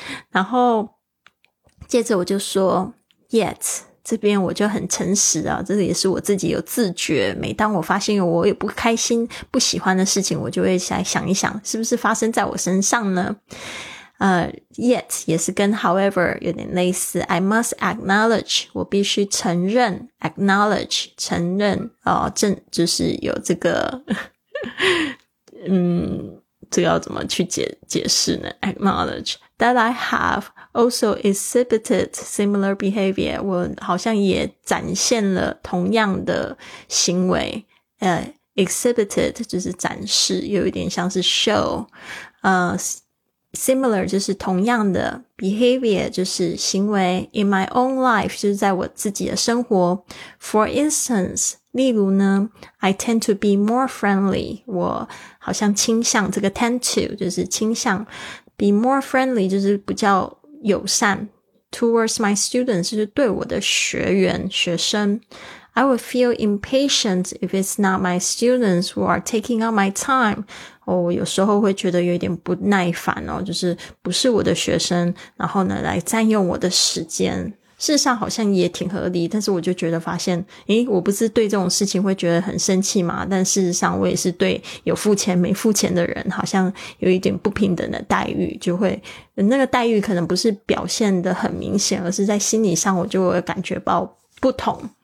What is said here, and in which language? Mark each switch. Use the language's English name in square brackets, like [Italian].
[Chinese] 然后接着我就说 yet， 这边我就很诚实啊，这个也是我自己有自觉，每当我发现我有不开心不喜欢的事情，我就会来想一想是不是发生在我身上呢。 yet 也是跟 however 有点类似， [English] I must acknowledge， [Chinese] 我必须承认， acknowledge 承认正就是有这个这个要怎么去解释呢？ [English] acknowledge that I have also exhibited similar behavior， [Chinese] 我好像也展现了同样的行为。 exhibited 就是展示，有一点像是 show。 similar 就是同样的， behavior 就是行为， [English] in my own life [Chinese] 就是在我自己的生活。 For instance， 例如呢， [English] I tend to be more friendly， [Chinese] 我好像倾向，这个 tend to 就是倾向， [English] be more friendly [Chinese] 就是比较友善， [English] towards my students [Chinese] 就是对我的学员学生。 [English] I would feel impatient if it's not my students who are taking up my time。 [Chinese] 我有时候会觉得有点不耐烦哦，就是不是我的学生然后呢来占用我的时间，事实上好像也挺合理，但是我就觉得发现我不是对这种事情会觉得很生气吗？但事实上我也是对有付钱没付钱的人好像有一点不平等的待遇，就会那个待遇可能不是表现得很明显，而是在心理上我就会感觉到不同。